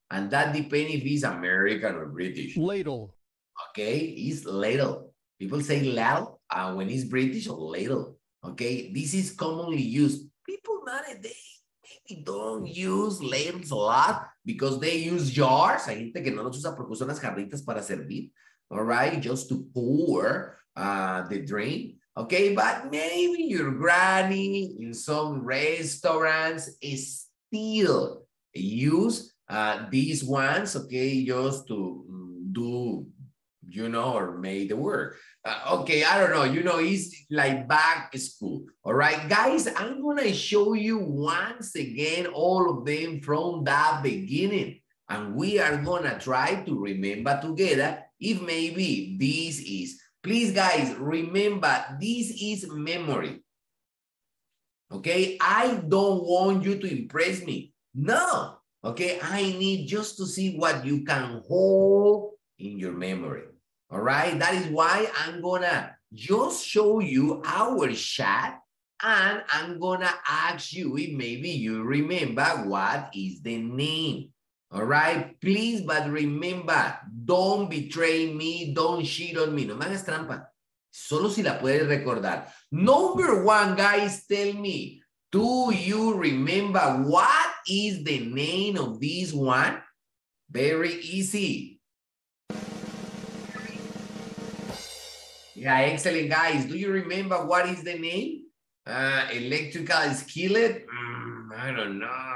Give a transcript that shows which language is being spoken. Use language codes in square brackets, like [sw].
[en] And that depends if it's American or British. Ladle. Okay. It's ladle. People say ladle when it's British or ladle. Okay. This is commonly used. People nowadays maybe don't use ladles a lot because they use jars. [es] Hay gente que no nos usa porque usan las jarritas para servir. [en] All right. Just to pour the drink. Okay. But maybe your granny in some restaurants is still use these ones, okay, just to do, you know, or make the work. Okay, I don't know, you know, it's like back school. All right, guys, I'm going to show you once again all of them from the beginning. And we are going to try to remember together if maybe this is. Please, guys, remember, this is memory. Okay, I don't want you to impress me. No. Okay, I need just to see what you can hold in your memory. All right, that is why I'm gonna just show you our chat and I'm gonna ask you if maybe you remember what is the name. All right, please, but remember, don't betray me, don't cheat on me. [es] No me hagas trampa, solo si la puedes recordar. [en] Number one, guys, tell me, do you remember what is the name of this one? Very easy. Yeah, excellent, guys. Do you remember what is the name? Electrical skillet? I don't know.